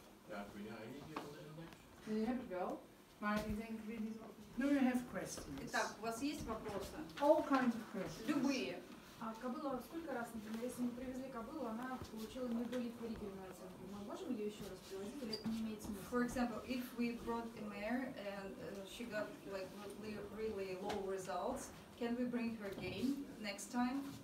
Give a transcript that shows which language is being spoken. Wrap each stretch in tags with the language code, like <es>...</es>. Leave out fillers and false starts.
<nl>Ja, kun je eigenlijk hier van de index? Die heb ik wel, maar ik denk ik weet niet of.</nl> <en>Do you have questions?</en> <ru>Итак, у вас есть вопросы?</ru> <en>All kinds of questions.</en> <ru>Любые. А кобыла сколько раз, например, если мы привезли кобылу, она получила неудовлетворительную оценку. Мы можем ее еще раз привозить или это не имеет смысла?</ru> <en>For example, if we brought a mare and she got like really, really low results, can we bring her again next time?</en>